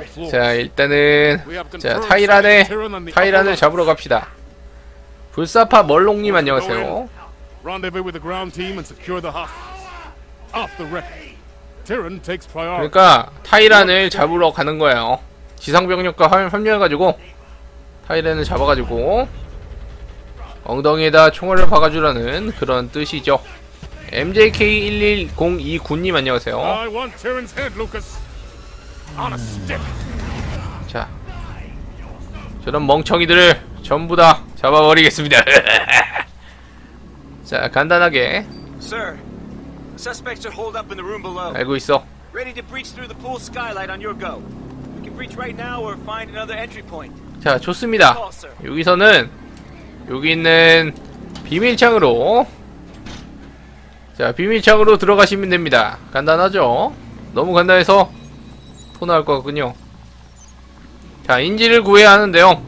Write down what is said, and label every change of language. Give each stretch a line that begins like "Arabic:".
Korean: 자, 일단은 자, 타이란을 잡으러 갑시다. 불사파 멀롱님 안녕하세요.
English: Rendezvous with the ground team and secure the hostage. Off the record. Tyrion takes priority.
Korean: 그러니까 타이란을 잡으러 가는 거예요. 지상 병력과 합류해가지고 타이란을 잡아가지고 엉덩이에다 총알을 박아주라는 그런 뜻이죠.
English: MJK1102
Korean: 군님 안녕하세요.
English: I want Tyrion's head, Lucas. On a stick.
Korean: 자, 저런 멍청이들을 전부 다 잡아버리겠습니다. 자, 간단하게.
English: Sir, suspects are holed up in the room below.
Korean: 알고 있어.
English: Ready to breach through the pool skylight on your go. We can breach right now or find another entry point.
Korean: 자, 좋습니다. 여기서는 여기 있는 비밀창으로 자, 비밀창으로 들어가시면 됩니다. 간단하죠? 너무 간단해서 토나할 것 같군요. 자, 인질을 구해야 하는데요.